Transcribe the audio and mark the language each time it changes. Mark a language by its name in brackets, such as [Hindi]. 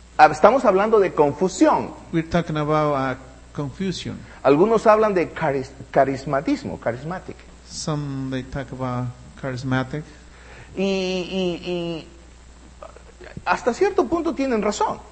[Spanish] estamos hablando de confusión. [English] We're talking about a confusion. [Spanish] Algunos hablan de carismatismo, charismatic. [English] Some they talk about charismatic. [Spanish] Y hasta cierto punto tienen razón.